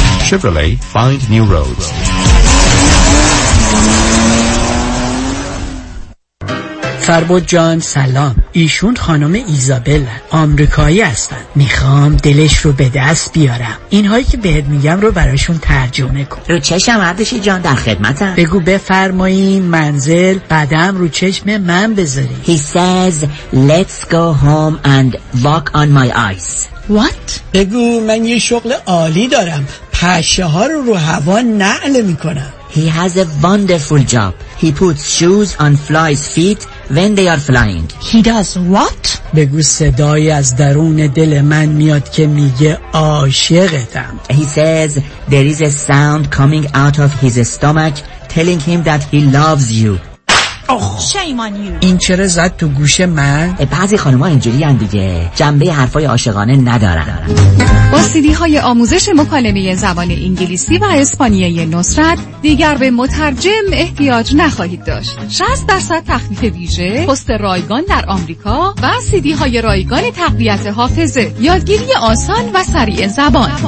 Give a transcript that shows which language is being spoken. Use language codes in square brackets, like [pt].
[en] Chevrolet, find new roads. [fa] فربود جان سلام، ایشون خانم ایزابل آمریکایی هستن، میخوام دلش رو به دست بیارم، اینهایی که بهت میگم رو براشون ترجمه کن. رو چشم عبدشی جان در خدمتم. بگو بفرماییم منزل قدم رو چشم من بذاری. [en] He says let's go home and walk on my eyes. What? [fa] بگو من یه شغل عالی دارم، پشه ها رو هوا نعل میکنم. [en] He has a wonderful job. He puts shoes on flies' feet when they are flying. He does what? [fa] بگو صدای از درون دل من میاد که میگه عاشقتم. [en] He says there is a sound coming out of his stomach telling him that he loves you. Shame on you. [fa] این چرا زد تو گوش من؟ بعضی خانوما اینجوری هم دیگه، جنبه حرفای عاشقانه ندارن. با سیدی های آموزش مکالمه زبان انگلیسی و اسپانیایی نصرت دیگر به مترجم احتیاج نخواهید داشت. 60% تخفیف ویژه، پست رایگان در آمریکا و سیدی های رایگان تقویت حافظه، یادگیری آسان و سریع زبان.